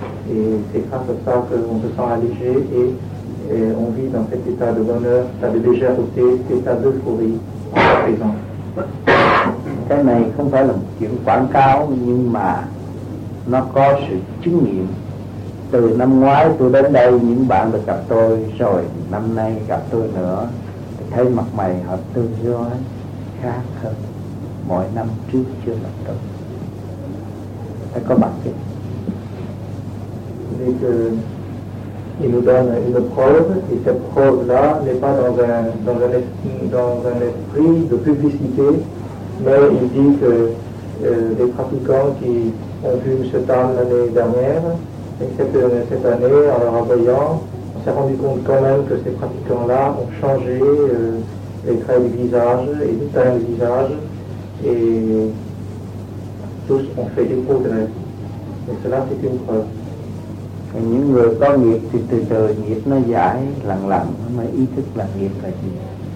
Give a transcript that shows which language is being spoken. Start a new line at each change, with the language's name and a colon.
French: Et c'est grâce à ça qu'on se sent allégé et on vit dans cet état de bonheur, cet état de légèreté, cet état d'euphorie en sa présence.
Vietnamese: Cái này không phải là một chuyện quảng cáo, nhưng mà nó có sự chứng nghiệm. Từ năm ngoái tôi đến đây, những bạn được gặp tôi, rồi năm nay gặp tôi nữa, thấy mặt mày họ tư doái khác hơn mọi năm trước chưa gặp được. Phải có bằng chứng.
French: Vì que il nous donne une preuve, et cette preuve là n'est pas dans un esprit de publicité, mais il dit que les pratiquants qui ont vu ce temps l'année dernière, et cette année en le revoyant, on s'est rendu compte quand même que ces pratiquants-là ont changé les traits du visage et les teintes du visage, et tous ont fait des progrès. Et cela, c'est une preuve.
Vietnamese: Et những người có nghiệp thì từ từ nghiệp nó giải lần lần, mới ý thức là nghiệp là gì.